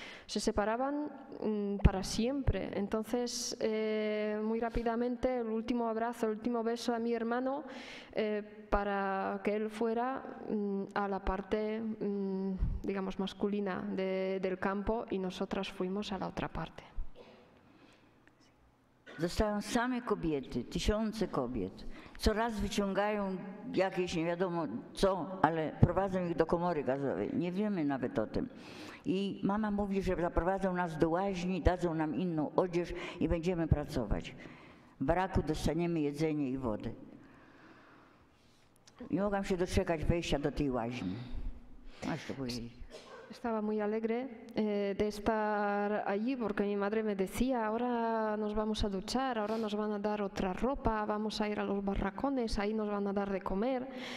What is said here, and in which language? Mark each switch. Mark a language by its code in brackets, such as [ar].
[es] Se separaban para siempre. Entonces, muy rápidamente, el último abrazo, el último beso a mi hermano, para que él fuera a la parte, digamos, masculina del campo y nosotras fuimos a la otra parte. [pl] Zostają same kobiety, tysiące kobiet. Co raz wyciągają jakieś nie wiadomo co, ale prowadzą ich do komory gazowej. Nie wiemy nawet o tym. I mama mówi, że zaprowadzą nas do łaźni, dadzą nam inną odzież i będziemy pracować. W baraku dostaniemy jedzenie i wodę. Nie mogłam się doczekać wejścia do tej łaźni. Masz to powiedzieć. [es] Estaba muy alegre de estar allí porque mi madre me decía, ahora nos vamos a duchar, ahora nos van a dar otra ropa, vamos a ir a los barracones, ahí nos van a dar de comer.